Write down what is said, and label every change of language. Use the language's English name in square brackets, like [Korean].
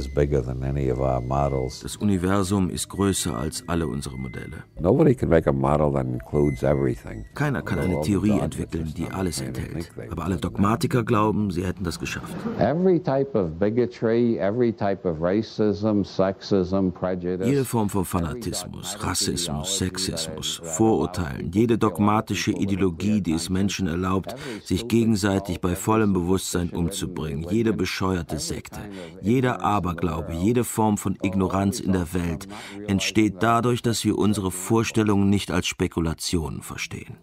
[German] Das Universum ist größer als alle unsere Modelle. [English] Nobody can make a model that includes everything. [German] Keiner kann eine Theorie entwickeln, die alles enthält. Aber alle Dogmatiker glauben, sie hätten das geschafft. [English] Every type of bigotry, every type of racism, sexism, prejudice. [German] Jede Form von Fanatismus, Rassismus, Sexismus, Vorurteilen, jede dogmatische Ideologie, die es Menschen erlaubt, sich gegenseitig bei vollem Bewusstsein umzubringen, jede bescheuerte Sekte, jeder Aberglaube, jede Form von Ignoranz in der Welt entsteht dadurch, dass wir unsere Vorstellungen nicht als Spekulationen verstehen.